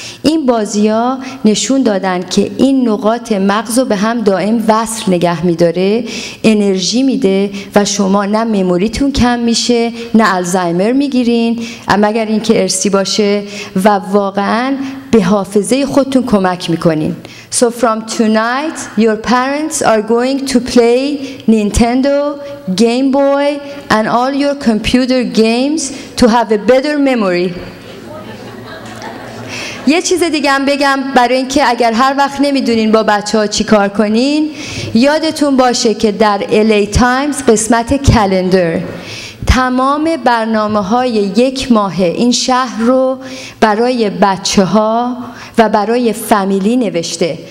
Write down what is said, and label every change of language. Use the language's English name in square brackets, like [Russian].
[Persian] این بازی‌ها نشون دادن که این نقاط مغز رو به هم دائم وصل نگه میداره، انرژی میده و شما نه مموریتون کم میشه، نه الزایمر میگیرین، مگر اینکه ارثی باشه، و واقعاً به حافظه خودتون کمک میکنین. [English] So from tonight, your parents are going to play Nintendo, Game Boy, and all your computer games to have a better memory. [Persian] یه چیز دیگه هم بگم برای اینکه اگر هر وقت نمیدونین با بچه ها چی کار کنین، یادتون باشه که در LA Times قسمت کلندر تمام برنامه های یک ماه این شهر رو برای بچه ها و برای فامیلی نوشته.